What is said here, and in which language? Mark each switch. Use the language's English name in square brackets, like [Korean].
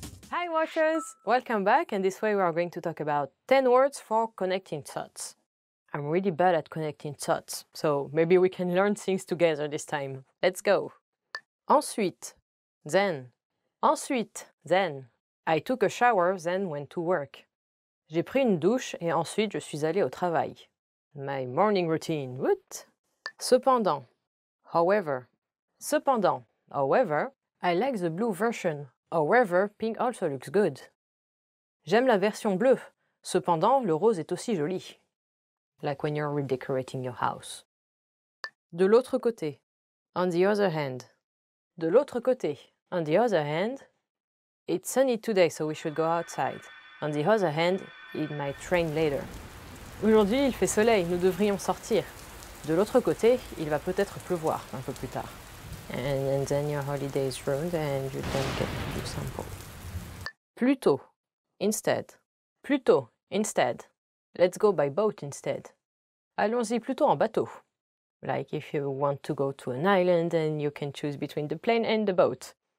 [English] Hi watchers! Welcome back, and this way we are going to talk about 10 words for connecting thoughts. I'm really bad at connecting thoughts, so maybe we can learn things together this time. Let's go! Ensuite, then. Ensuite, then. I took a shower, then went to work. [French] J'ai pris une douche et ensuite je suis allé au travail. [English] My morning routine, what? Cependant, however, cependant, however, I like the blue version, however, pink also looks good. [French] J'aime la version bleue, cependant, le rose est aussi joli. [English] Like when you're redecorating your house. [French] De l'autre côté, [English] on the other hand. [French] De l'autre côté, [English] on the other hand, it's sunny today so we should go outside. On the other hand, it might rain later. [French] Aujourd'hui, il fait soleil, nous devrions sortir. De l'autre côté, il va peut-être pleuvoir un peu plus tard. [English] And then your holiday is ruined and you don't get to do some pool. Plutôt. Instead. Plutôt. Instead. Let's go by boat instead. [French] Allons-y plutôt en bateau. [English] Like if you want to go to an island and you can choose between the plane and the boat.